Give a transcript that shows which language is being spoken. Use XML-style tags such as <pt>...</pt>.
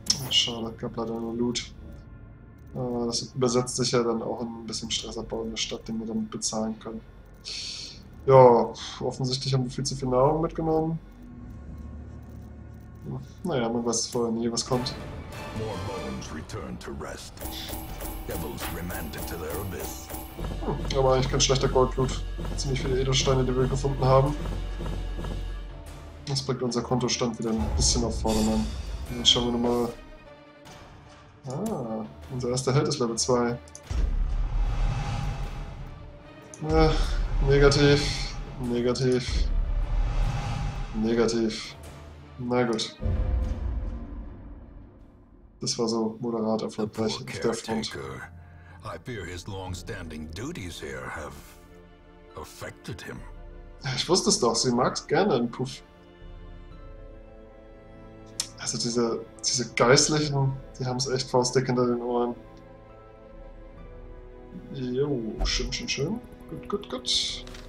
<de>Schade, gab leider nur Loot. Das übersetzt sich ja dann auch in ein bisschen Stressabbau in der Stadt, den wir damit bezahlen können. Ja, offensichtlich haben wir viel zu viel Nahrung mitgenommen. Naja, man weiß vorher nie, was kommt.</de> <en>More bones return to rest. Devils remanded to their abyss.</en> <de>Aber eigentlich kein schlechter Goldblut. Ziemlich viele Edelsteine, die wir gefunden haben. Das bringt unser Kontostand wieder ein bisschen auf Vordermann. Jetzt schauen wir nochmal. Ah, unser erster Held ist Level 2. Ja, negativ, negativ, negativ. Na gut. Das war so moderat erfolgreich auf der Front.</de> <en>I fear his long-standing duties here have affected him.</en> <de>Ich wusste es doch, sie mag es gerne im Puff. Also diese Geistlichen, die haben es echt faustdick hinter den Ohren. Jo, schön, schön, schön. Gut, gut, gut.</de>